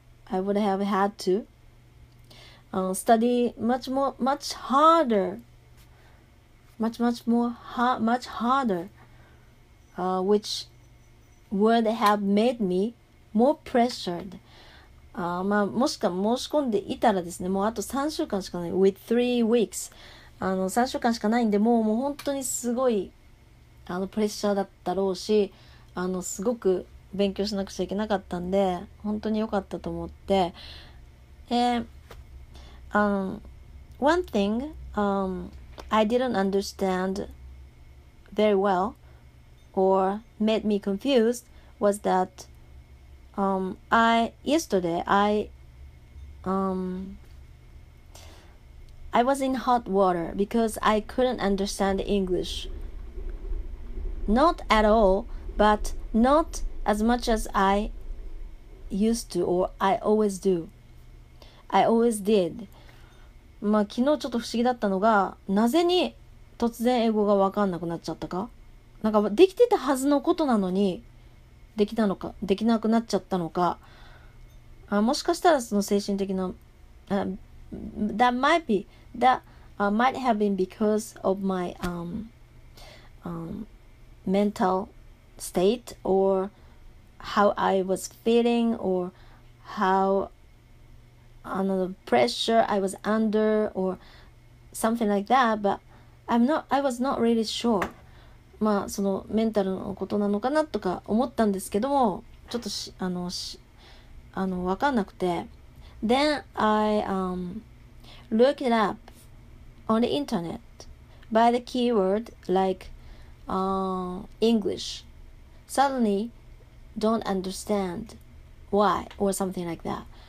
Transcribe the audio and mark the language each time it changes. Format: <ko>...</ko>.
<en>I would have had to study much harder, which would have made me more pressured.</en> <ja>もし申し込んでいたらですね、もうあと3週間しかない。</ja> <en>with 3 weeks.</en> <ja>3週間しかないんで、もう本当にすごい、プレッシャーだったろうし、すごく勉強しなくちゃいけなかったんで、本当に良かったと思って。</ja> <en>One thing, I didn't understand very well or made me confused was that yesterday I was in hot water because I couldn't understand English. Not at all, but not as much as I used to or I always do. I always did.</en> <ja>まあ、昨日ちょっと不思議だったのが、なぜに突然英語が分かんなくなっちゃったか。なんかできてたはずのことなのに、できたのか、できなくなっちゃったのか。もしかしたらその精神的な、</ja> <en>that might have been because of my mental state or how I was feeling or how another pressure I was under or something like that, but I was not really sure.</en> <ja>まあそのメンタルのことなのかなとか思ったんですけども、ちょっとしあのしあの分かんなくて。</ja> <en>Then I looked it up on the internet by the keyword like English. Suddenly don't understand why or something like that.</en>